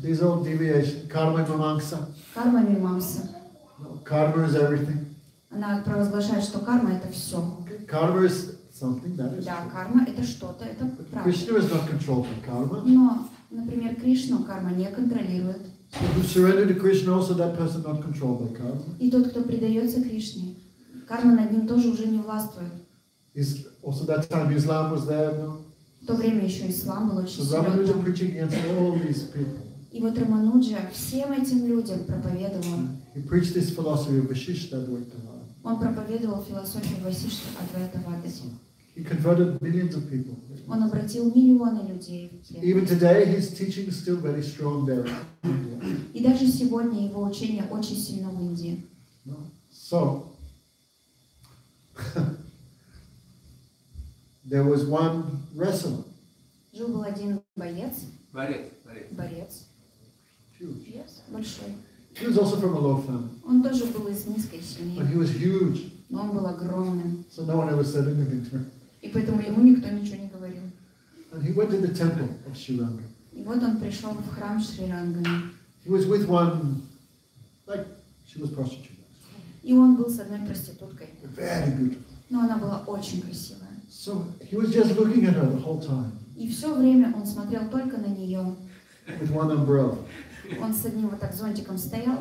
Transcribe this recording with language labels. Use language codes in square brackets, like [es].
[en] These all deviation. Karma mimamsa. Karma mimamsa. Karma is everything. [ru] Она провозглашает, что карма это все. [en] Karma is something that is. [ru] Да, карма это что-то, это правда. [en] Krishna is not controlled by karma. [ru] Но, например, Кришну карма не контролирует. [en] So who surrendered to Krishna also that person not controlled by karma. [ru] И тот, кто предается Кришне, Карма над ним тоже уже не властвует. [en] Also that time Islam was there. No? [ru] В то время еще ислам был очень сильный. И вот Рамануджа всем этим людям проповедовал. [en] He preached this philosophy of Vasishtha Advaita. [ru] Он проповедовал философию Васишта Адвайта Вадати. [en] He converted millions of people. [ru] Он обратил миллионы людей. [en] Even today, his teaching is still very strong there. [ru] И даже сегодня его учение очень сильно в Индии. [en] So, there was one wrestler. [ru] Жил был один боец. Борец. Большой. [en] He was also from a low family. [ru] Он тоже был из низкой семьи. [en] But he was huge. [ru] Но он был огромным. [en] So no one ever said anything to him. [ru] И поэтому ему никто ничего не говорил. [en] And he went to the temple of Sri Ranga. [ru] И вот он пришел в храм Шри Рангана. [en] He was with one, like she was prostitute. [ru] И он был с одной проституткой. [en] Very beautiful. [ru] Но она была очень красивая. [en] So he was just looking at her the whole time. [ru] И все время он смотрел только на нее. [en] With one umbrella. [ru] Он с одним вот так зонтиком стоял.